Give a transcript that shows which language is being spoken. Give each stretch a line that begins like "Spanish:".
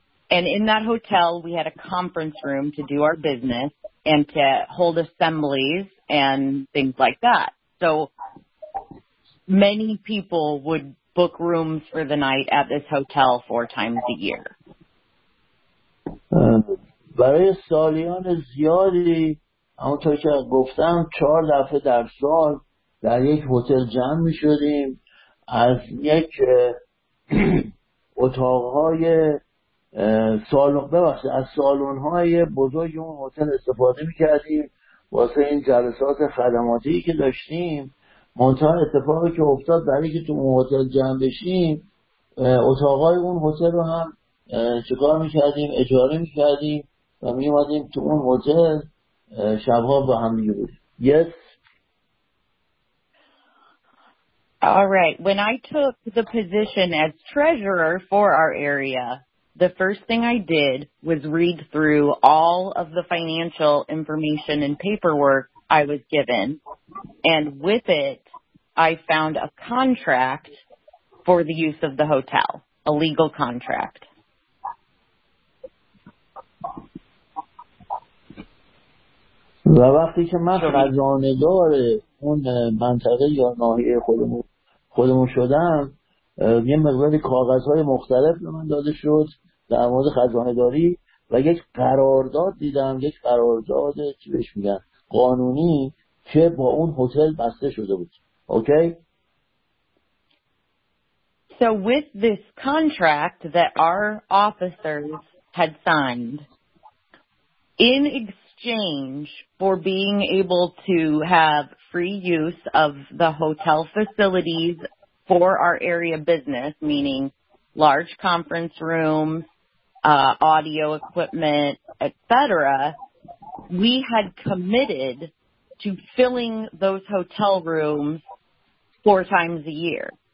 English: And in that hotel we had a conference room to do our business and to hold assemblies and things like that. So many people would book rooms for the night at this hotel 4 times a year.
Persian: برای سالیان زیادی، همونطور که گفتم 4 دفعه در سال در یک هتل جمع می شدیم، از یک اتاقهای سالن، ببخشید، از سالن‌های بزرگ اون هتل استفاده می کردیم واسه این جلسات خدماتی که داشتیم. منتها اتفاقی که افتاد برای که تو اون هتل جمع بشیم، اتاقای اون هتل رو هم چکار میکردیم؟ اجاره میکردیم و میومدیم تو اون هتل شبها با هم دیگه بودیم.
English: Yes. All right. When I took the position as treasurer for our area, the first thing I did was read through all of the financial information and paperwork I was given, and with it, I found a contract for the use of the hotel, a legal contract.
Persian: و وقتی که من خزانه‌دار اون منطقه یا ناحیه خودمون شدم، یه مقداری کاغذهای مختلف به من داده شد در مورد خزانه‌داری و یک قرارداد دیدم، یک قرارداد چی بهش میگن؟ قانونی که با اون هتل بسته شده بود. اوکی؟
English: So with this contract that our officers had signed, in exchange for being able to have free use of the hotel facilities for our area business, meaning large conference rooms, audio equipment, etc., we had committed to filling those hotel rooms 4 times a year.